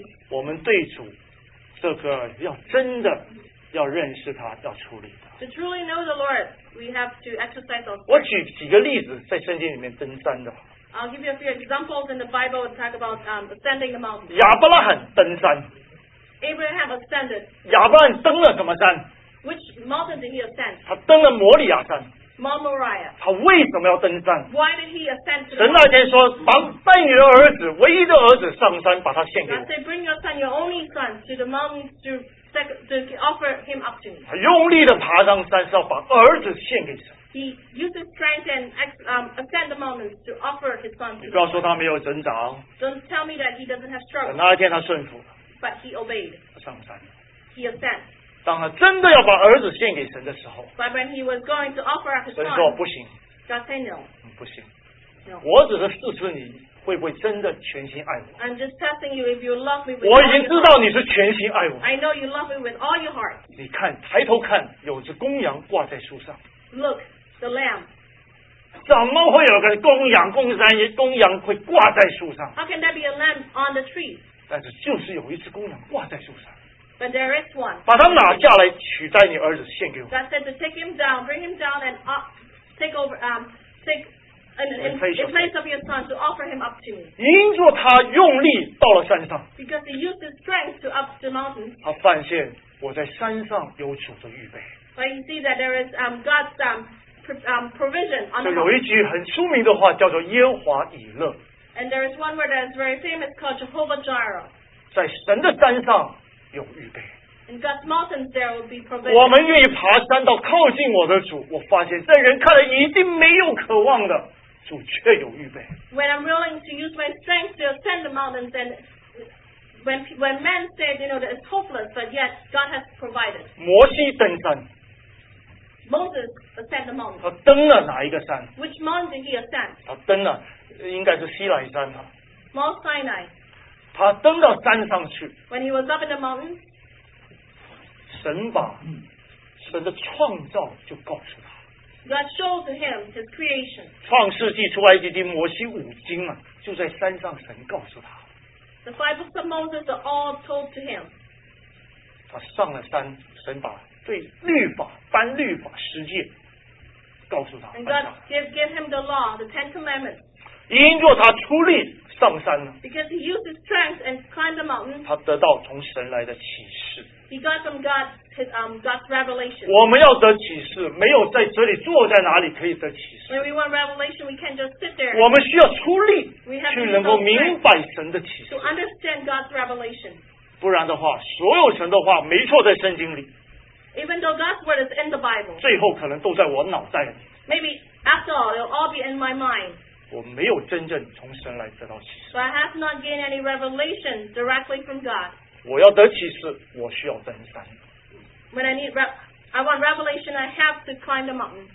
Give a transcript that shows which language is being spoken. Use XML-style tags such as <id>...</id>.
<zh>我们对主这个要真的要认识他，要处理他。</zh> <en>To truly know the Lord, we have to exercise our.</en> <zh>我举几个例子在圣经里面登山的。</zh> <en>I'll give you a few examples in the Bible and talk about ascending the mountain.</en> <zh>亚伯拉罕登山。</zh> <en>Abraham ascended.</en> <zh>亚伯拉罕登了什么山？</zh> <en>Which mountain did he ascend?</en> <zh>他登了摩利亚山。</zh> <en>Mount Moriah.</en> <zh>他为什么要登山？</zh> <en>Why did he ascend to the?</en> <zh>神那天说，带你的儿子，唯一的儿子上山，把他献给我。</zh> <en>God said, bring your son, your only son, to the mountain to offer him up to me.</en> <zh>他用力的爬上山，是要把儿子献给神。</zh> <en>He used his strength and ascend the mountain to offer his son.</en> <zh>你不要说他没有挣扎。</zh> <en>Don't tell me that he doesn't have struggle.</en> <zh>那一天他顺服。</zh> <en>But he obeyed.</en> <zh>上山。</zh> <en>He ascended.</en> <zh>当他真的要把儿子献给神的时候。</zh> <en>But when he was going to offer up his son.</en> <zh>神说不行。</zh> <en>God said no.</en> <zh>不行。</zh> <en>No.</en> <zh>我只是试试你会不会真的全心爱我。</zh> <en>I'm just testing you if you love me.</en> <zh>我已经知道你是全心爱我。</zh> <en>I know you love me with all your heart.</en> <zh>你看，抬头看，有只公羊挂在树上。</zh> <en>Look, the lamb.</en> <zh>怎么会有个公羊、公羊会挂在树上</zh> <en>？How can there be a lamb on the tree？</en> <zh>但是就是有一只公羊挂在树上。</zh> <en>But there is one。</en> <zh>把它拿下来，取代你儿子献给我。</zh> <en>God said to take him down, bring him down, and take over, take in place of your son to offer him up to me。</en> <zh>因着他用力到了山上。</zh> <en>Because he used his strength to up the mountain。</en> <zh>他发现我在山上有主的预备。</zh> <en>But you see that there is God's provision on the mountain.</en> <zh>有一句很出名的话叫做耶华以勒。</zh> <en>And there is one word that is very famous called Jehovah Jireh.</en> <zh>在神的山上有预备。</zh> <en>In God's mountains there will be provision.</en> <zh>我们愿意爬山到靠近我的主，我发现这人看了一定没有渴望的。主却有预备。</zh> <en>When I'm willing to use my strength to ascend the mountains, and when men said, you know, that it's hopeless, but yet God has provided.</en> <zh>摩西登山。</zh> <en>Moses ascended the mountain.</en> <zh>他登了哪一个山</zh> <en>？Which mountain did he ascend?</en> <zh>他登了，应该是西乃山啊。</zh> <en>Mount Sinai.</en> <zh>他登到山上去。</zh> <en>When he was up in the mountain.</en> <zh>神把神的创造就告诉他。</zh> <en>God showed to him his creation.</en> <zh>创世纪出埃及记摩西五经啊，就在山上神告诉他。</zh> <en>The five books of Moses are all told to him.</en> <zh>他上了山，神把对律法颁律法十诫告诉他。</zh> <en>And God gave him the law, the Ten Commandments.</en> <zh>因着他出力上山了。</zh> <en>Because he used his strength and climbed the mountain.</en> <zh>他得到从神来的启示。</zh> <en>He got from God his God's revelation.</en> <zh>我们要得启示，没有在这里坐在哪里可以得启示。</zh> <en>When we want revelation, we can't just sit there.</en> <zh>我们需要出力去能够明白神的启示。</zh> <en>To understand God's revelation.</en> <zh>不然的话，所有神的话没错在圣经里。</zh> <en>Even though God's word is in the Bible.</en> <zh>最后可能都在我脑袋里。</zh> <en>Maybe after all, it'll all be in my mind.</en> <zh>我没有真正从神来得到启示。</zh> <en>But I have not gained any revelation directly from God.</en> <zh>我要得启示，我需要登山。</zh> <en>When I need I want revelation, I have to climb the mountain.</en>